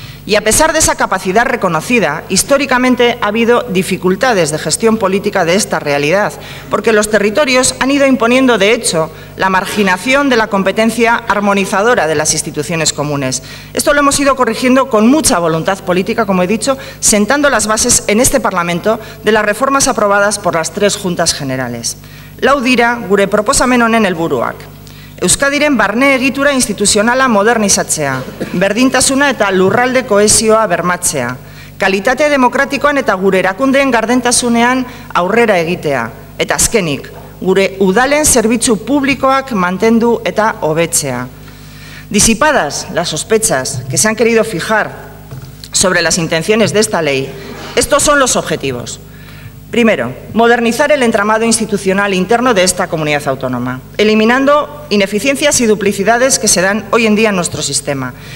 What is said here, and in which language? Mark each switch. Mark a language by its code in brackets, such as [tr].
[es] Y a pesar de esa capacidad reconocida, históricamente ha habido dificultades de gestión política de esta realidad, porque los territorios han ido imponiendo, de hecho, la marginación de la competencia armonizadora de las instituciones comunes. Esto lo hemos ido corrigiendo con mucha voluntad política, como he dicho, sentando las bases en este Parlamento de las reformas aprobadas por las tres Juntas Generales. [eu] Lau dira gure proposamen honen helburuak. Euskadiren barne egitura instituzionala modernizatzea, berdintasuna eta lurralde kohesioa bermatzea, kalitate demokratikoan eta gure erakundeen gardentasunean aurrera egitea, eta azkenik, gure udalen zerbitzu publikoak mantendu eta hobetzea. [es] Disipadas las sospechas que se han querido fijar sobre las intenciones de esta ley, estos son los objetivos. Primero, modernizar el entramado institucional interno de esta comunidad autónoma, eliminando ineficiencias y duplicidades que se dan hoy en día en nuestro sistema.